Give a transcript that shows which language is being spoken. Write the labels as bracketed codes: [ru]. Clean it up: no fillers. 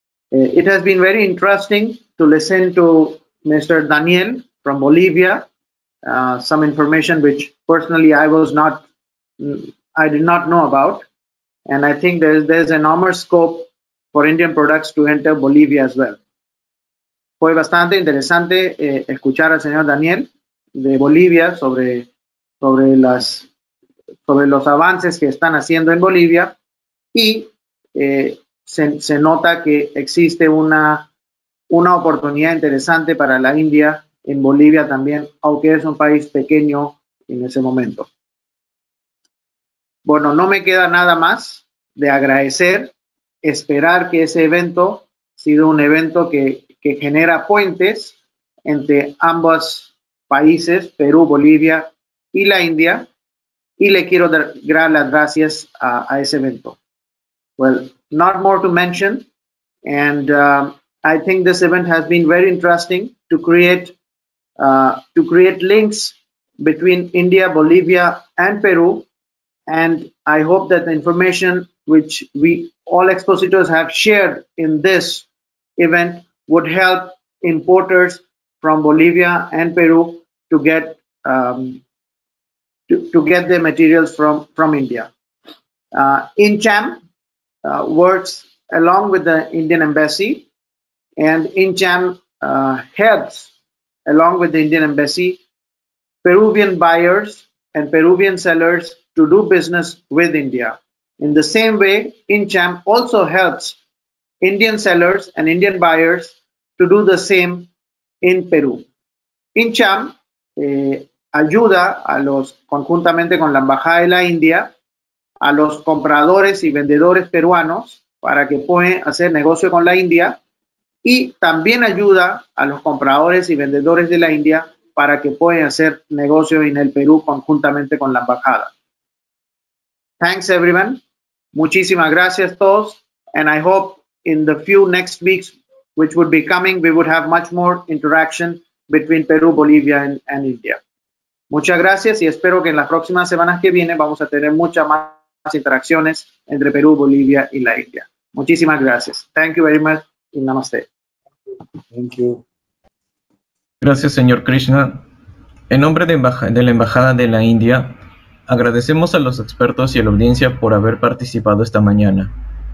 [en] It has been very interesting to listen to Mr. Daniel from Bolivia, some information which personally I did not know about, and I think there's enormous scope for Indian products to enter Bolivia as well. [es] Fue bastante interesante escuchar al señor Daniel de Bolivia sobre los avances que están haciendo en Bolivia y se nota que existe una oportunidad interesante para la India en Bolivia también, aunque es un país pequeño en ese momento. Bueno, no me queda nada más de agradecer. Esperar que ese evento sea un evento que genera puentes entre ambos países, Perú, Bolivia y la India. Y le quiero dar las gracias a ese evento. [en] Well, not more to mention. And I think this event has been very interesting to create links between India, Bolivia and Peru. And I hope that the information which we all expositors have shared in this event would help importers from Bolivia and Peru to get their materials from India. INCHAM works along with the Indian Embassy, and INCHAM helps, along with the Indian embassy, Peruvian buyers and Peruvian sellers to do business with India. In the same way, INCHAM also helps Indian sellers and Indian buyers to do the same in Peru. [es] INCHAM ayuda a los, conjuntamente con la Embajada de la India, a los compradores y vendedores peruanos para que puedan hacer negocio con la India, y también ayuda a los compradores y vendedores de la India para que puedan hacer negocio en el Perú conjuntamente con la embajada. [en] Thanks everyone. [es] Muchísimas gracias a todos. [en] And I hope in the few next weeks which would be coming, we would have much more interaction between Peru, Bolivia and India. [es] Muchas gracias y espero que en las próximas semanas que vienen vamos a tener muchas más interacciones entre Perú, Bolivia y la India. Muchísimas gracias. [en] Thank you very much. Y namaste. Thank you. [es] Gracias, señor Krishna. En nombre de la Embajada de la India, agradecemos a los expertos y a la audiencia por haber participado esta mañana.